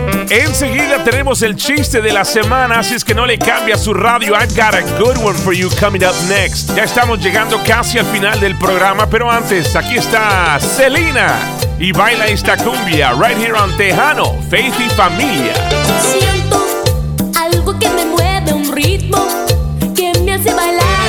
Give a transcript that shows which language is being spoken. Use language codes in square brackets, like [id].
[es] Enseguida tenemos el chiste de la semana, así es que no le cambie a su radio. [en] I've got a good one for you coming up next. [es] Ya estamos llegando casi al final del programa, pero antes, aquí está Selena y baila esta cumbia [en] right here on [es] Tejano, Faith y Familia. Siento algo que me mueve, un ritmo que me hace bailar.